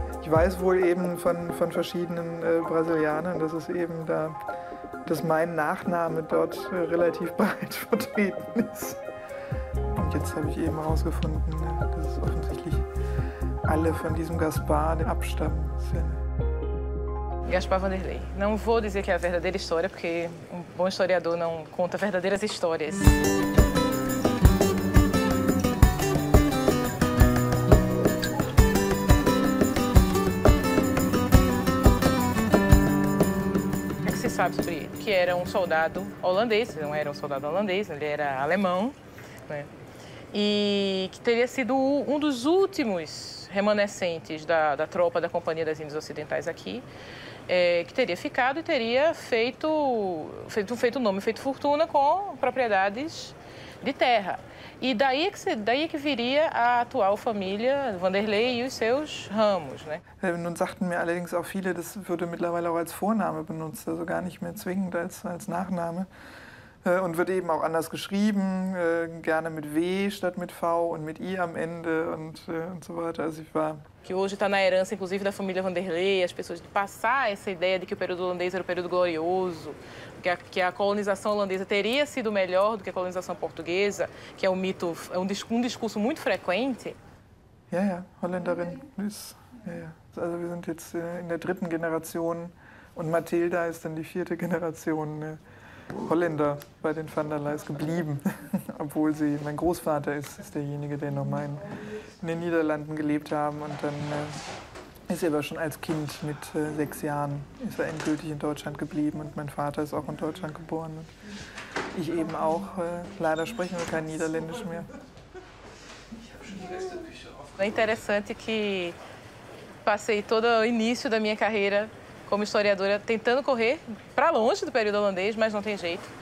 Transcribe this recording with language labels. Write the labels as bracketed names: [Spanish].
[German] Weiß wohl eben von verschiedenen Brasilianern, dass es eben da, dass mein Nachname dort relativ breit vertreten ist. Und jetzt habe ich eben herausgefunden, dass es offensichtlich alle von diesem Gaspar abstammen sind. Gaspar Vanderlei. [Portuguese] Não vou dizer que é a verdadeira história, porque bom historiador não conta verdadeiras histórias. Sabe sobre ele, que era um soldado holandês, não era um soldado holandês, ele era alemão, né? E que teria sido um dos últimos remanescentes da tropa da Companhia das Índias Ocidentais aqui, que teria ficado e teria feito nome, feito fortuna com propriedades de terra. E daí que viria a atual família Vanderlei e os seus ramos, né? [German] Nun sagten mir allerdings auch viele, das würde mittlerweile auch als Vorname benutzt, also gar nicht mehr zwingend als Nachname. Und wird eben auch anders geschrieben, gerne mit W statt mit V und mit I am Ende und so weiter. Also ich war. [Portuguese] Que hoje está na herança, inclusive, da família Vanderlei, as pessoas de passar essa ideia de que o período holandês era o período glorioso, que a colonização holandesa teria sido melhor do que a colonização portuguesa, que é um mito, é um discurso muito frequente. [German] Ja, ja, Holländerin. Ja, ja. Also wir sind jetzt in der dritten Generation und Matilda ist dann die vierte Generation Holländer bei den Van der Leys geblieben, obwohl sie mein Großvater ist derjenige, der noch mal in den Niederlanden gelebt haben und dann ist er aber schon als Kind mit 6 Jahren ist er endgültig in Deutschland geblieben und mein Vater ist auch in Deutschland geboren und ich eben auch. Leider sprechen wir kein Niederländisch mehr. [Portuguese] É interessante que passei todo o início da minha carreira como historiadora tentando correr para longe do período holandês, mas não tem jeito.